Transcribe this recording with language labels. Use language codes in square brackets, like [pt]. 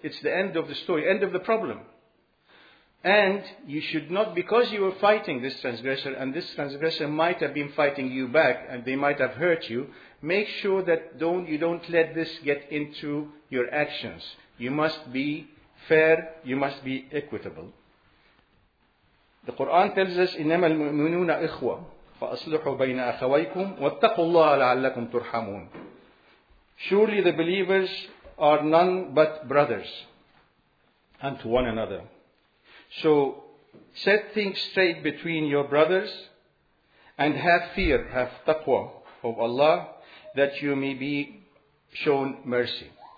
[en] It's the end of the story, end of the problem. And you should not, because you were fighting this transgressor, and this transgressor might have been fighting you back, and they might have hurt you, make sure that you don't let this get into your actions. You must be fair, you must be equitable. [ar] The Quran tells us, إِنَّمَا الْمُؤْمِنُونَ إِخْوَةً فَأَصْلُحُوا بَيْنَ أَخَوَيْكُمْ وَاتَّقُوا اللَّهَ لَعَلَّكُمْ تُرْحَمُونَ. [en] Surely the believers are none but brothers unto one another. So set things straight between your brothers and have fear, have taqwa of Allah, that you may be shown mercy.